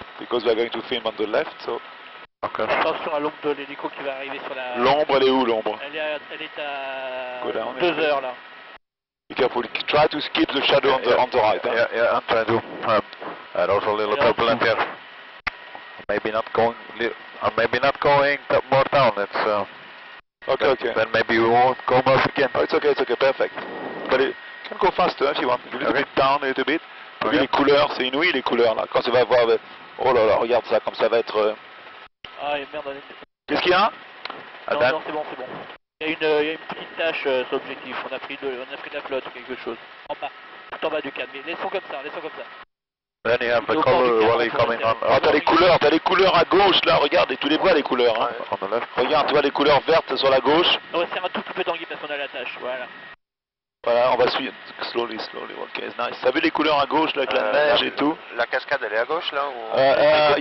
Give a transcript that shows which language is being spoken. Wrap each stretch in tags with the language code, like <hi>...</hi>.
<en>Because we are going to film on the left, so. Okay.</en> <fr>Attention à l'ombre de l'hélico qui va arriver sur la. L'ombre, elle est où l'ombre? Elle est à 2 heures là.</fr> <en>Be careful, try to skip the shadow on the right.</en> <fr>Hein?</fr> <en>Yeah, I'm trying to. And also a little turbulent here. Maybe not going. Maybe not going more down. It's. Okay. Then maybe we won't go off again. Oh, it's okay, perfect. But you can go faster if you want. You little bit down a little bit. Okay.</en> <fr>Les couleurs, c'est inouï les couleurs là. Quand tu vas voir. Oh là là, regarde ça, comme ça va être. Ah, merde, qu'est-ce qu'il y a? Non, c'est bon. Il y a une petite tache sur l'objectif. On a pris la flotte ou quelque chose. En bas. Tout en bas du câble. Mais laissons comme ça.</fr> <en>Then you have the color while you're coming on.</en> <fr>Ah, t'as les couleurs à gauche là, regarde, et tu les vois les couleurs, hein.</fr> <en>On the left.</en> <fr>Regarde, tu vois les couleurs vertes sur la gauche. On va se faire un tout petit peu tanguer parce qu'on a la tâche, voilà. Voilà, on va suivre.</fr> <en>Slowly, ok, it's nice.</en> <fr>T'as vu les couleurs à gauche là, avec la neige et tout? La cascade, elle est à gauche là ou...</fr>